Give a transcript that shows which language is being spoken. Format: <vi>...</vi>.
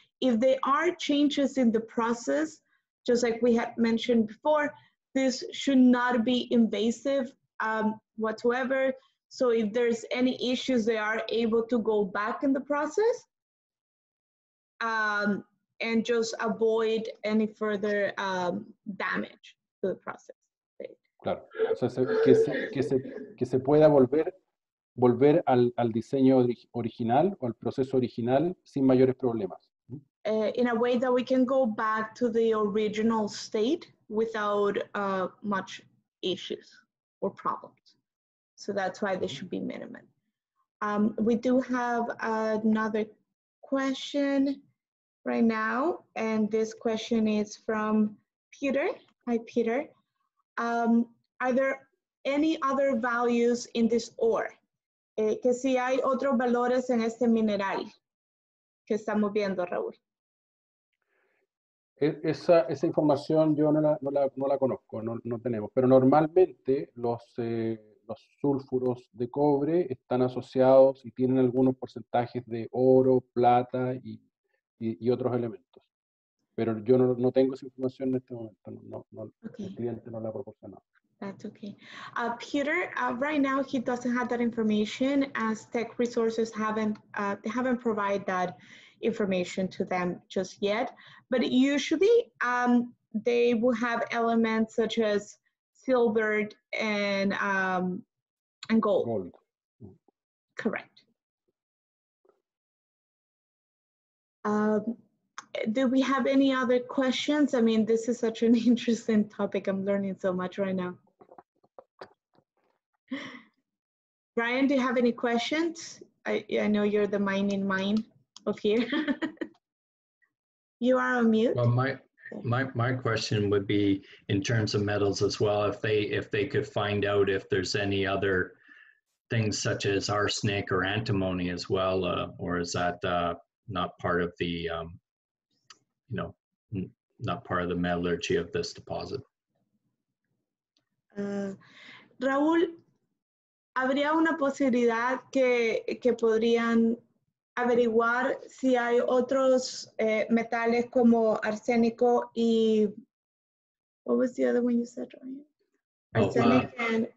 <en>If there are changes in the process, just like we had mentioned before, this should not be invasive whatsoever. So if there's any issues, they are able to go back in the process. And just avoid any further damage to the process.</en> <es>Claro, o sea, que se pueda volver al diseño original o al proceso original sin mayores problemas.</es> <en>in a way that we can go back to the original state without much issues or problems. So that's why they should be minimum. We do have another question right now, and this question is from Peter. Hi, Peter. Are there any other values in this ore?</en> <es>Que si hay otros valores en este mineral que estamos viendo, Raúl. Esa información yo no la conozco, no tenemos. Pero normalmente los sulfuros de cobre están asociados y tienen algunos porcentajes de oro, plata y otros elementos. Pero yo no tengo esa información en este momento. Okay. El cliente no la ha proporcionado.</es> <en>That's okay. Peter, right now he doesn't have that information as Tech Resources haven't provided that information to them just yet. But usually they will have elements such as silver and gold. Gold. Correct. Do we have any other questions? I mean, this is such an interesting topic. I'm learning so much right now. Brian, do you have any questions? I know you're the mining mind of here. You are on mute. Well, my question would be in terms of metals as well, if they could find out if there's any other things such as arsenic or antimony as well, or is that not part of the not part of the metallurgy of this deposit?</en> <es>Raúl, ¿habría una posibilidad que podrían averiguar si hay otros metales como arsénico y...</es> <en>What was the other one you said, Ryan?</en>